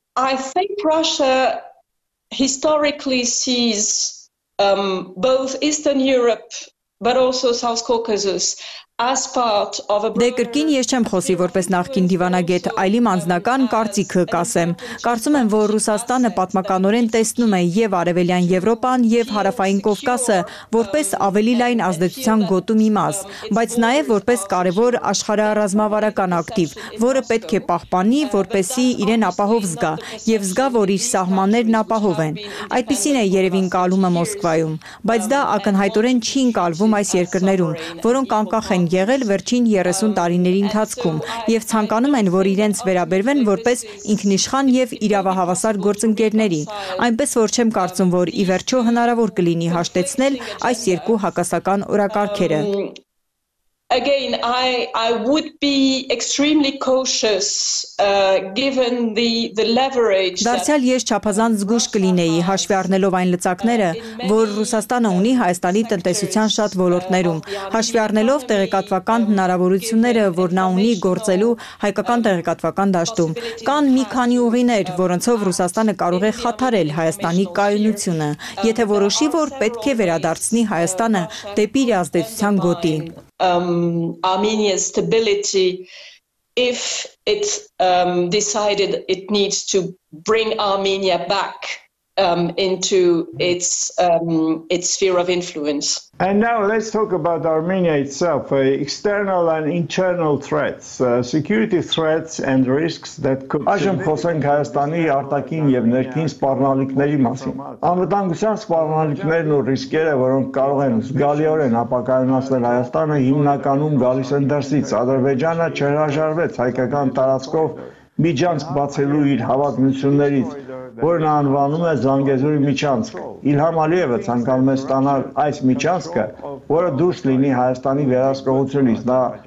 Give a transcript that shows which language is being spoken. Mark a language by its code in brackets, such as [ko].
[en] I think Russia historically sees both Eastern Europe but also South Caucasus as part of a broader... [hy] Դե կրկին ես չեմ խոսի որպես նախկին դիվանագետ, այլ իմ անձնական կարծիքը կասեմ։ Կարծում եմ, որ Ռուսաստանը պատմականորեն տեսնում է եւ Արևելյան Եվրոպան եւ Հարավային Կովկասը որպես ավելի լայն ազդեցության գոտում իմաս, բայց նաեւ որպես կարեւոր աշխարհառազմավարական ակտիվ, որը պետք է պահպանի, որպեսի իրեն ապահով զգա եւ զգա, որ իր սահմաններն ապահով են։ Այդպիսին է երևին կալումը Մոսկվայում, բայց դա ակնհայտորեն չի ընկալվում այս երկրներում, որոնք անկախ են եղել վերջին 30 տարիների ընթացքում եւ ցանկանում են, որ իրենց վերաբերվեն որպես ինքնիշխան եւ իրավահավասար գործընկերների, այնպես որ չեմ կարծում, որ ի վերջո հնարավոր կլինի հաշտեցնել այս երկու հակասական օրակարգերը։ [en] Again, I would be extremely cautious given the leverage. [hy] Դարձյալ ես չափազանց զգուշ կլինեի հաշվի առնելով այն լծակները, որ Ռուսաստանը ունի Հայաստանի տնտեսության շատ ոլորտներում, հաշվի առնելով տեղեկատվական հնարավորությունները, որ նա ունի գործելու հայկական տեղեկատվական դաշտում, կան մի քանի ուղիներ, որոնցով Ռուսաստանը կարող է խաթարել Հայաստանի կայունությունը, եթե որոշի, որ պետք է վերադարձնի Հայաստանը դեպի իր ազդեցության գոտի. [en] Armenia's stability, if it decided it needs to bring Armenia back into its sphere of influence. And now let's talk about Armenia itself, external and internal threats, security threats and risks that could... [hy] Այժմ խոսենք Հայաստանի արտաքին եւ ներքին սպառնալիքների մասին։ Անվտանգության սպառնալիքներն ու ռիսկերը, որոնք կարող են զգալիորեն ապակայունացնել Հայաստանը, հիմնականում գալիս են դրսից։ Ադրբեջանը չհրաժարվեց հայկական տարածքով միջանցք բացելու իր հավակնություններից, որն անվանում է Զանգեզուրի միջանցք։ Իլհամ Ալիևը ցանկանում է ստանալ այս միջանցքը, որը դուրս լինի Հայաստանի վերահսկողությունից։ Նա